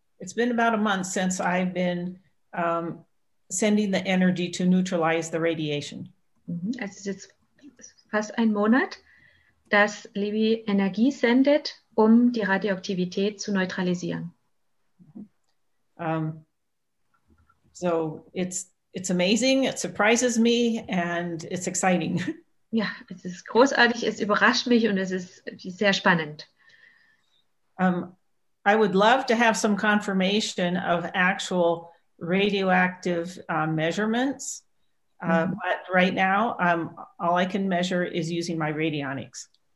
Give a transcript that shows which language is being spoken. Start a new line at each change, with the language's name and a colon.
English: It's been about a month since I've been sending the energy to neutralize the radiation.
German: Also es ist jetzt fast ein Monat, dass Libby Energie sendet, um die Radioaktivität zu neutralisieren.
English: So it's amazing, it surprises me and it's exciting.
German: Ja, es ist großartig, es überrascht mich und es ist sehr spannend.
English: I would love to have some confirmation of actual radioactive measurements. But right now, all I can measure is using my radionics.